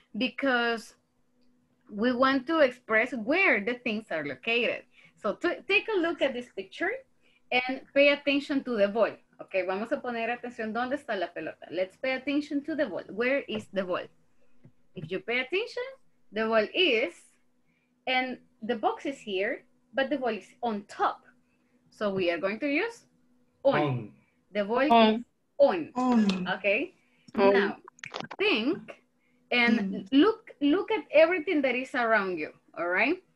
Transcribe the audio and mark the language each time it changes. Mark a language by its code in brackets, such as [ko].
[en] Because we want to express where the things are located. So, take a look at this picture and pay attention to the ball. [es] Okay, vamos a poner atención, ¿dónde está la pelota? [en] Let's pay attention to the ball. Where is the ball? If you pay attention, the ball is, and the box is here, but the ball is on top. So we are going to use on. The ball on. Is on. Okay, on. Now think and look at everything that is around you, all right?